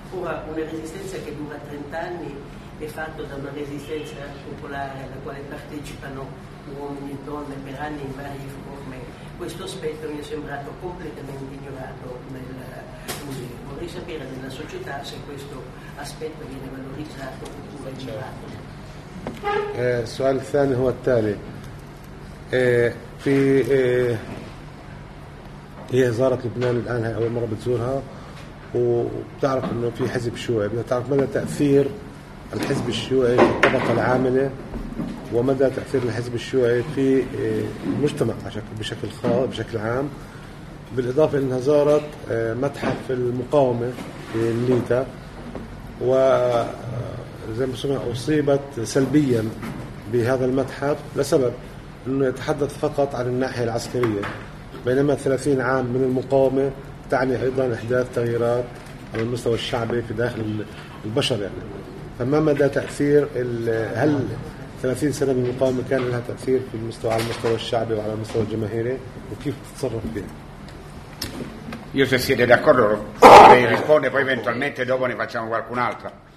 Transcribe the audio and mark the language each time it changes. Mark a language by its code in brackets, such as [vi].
[it] Ora, una resistenza che dura 30 anni è fatta da una resistenza popolare alla quale partecipano uomini e donne per anni in varie forme. Questo aspetto mi è sembrato completamente ignorato nel museo. Vorrei sapere nella società se questo aspetto viene valorizzato oppure ignorato. [ar] السؤال الثاني هو التالي في هي زارت لبنان الآن هي أول مرة بتزورها وبتعرف أنه في حزب شيوعي بدها تعرف مدى تأثير الحزب الشيوعي في الطبقة العاملة ومدى تأثير الحزب الشيوعي في المجتمع بشكل عام بالإضافة أنها زارت متحف المقاومة في الليتا و زي ما سمع أصيبت سلبيا بهذا المتحف لسبب أنه يتحدث فقط عن الناحية العسكرية بينما 30 عام من المقاومة تعني أيضا إحداث تغييرات على المستوى الشعبي في داخل البشر يعني. فما مدى تأثير هل 30 سنة من المقاومة كان لها تأثير في المستوى على المستوى الشعبي وعلى المستوى الجماهيري وكيف تتصرف بها؟ [it] Io se siete d'accordo lei risponde poi eventualmente dopo ne facciamo qualcun'altra.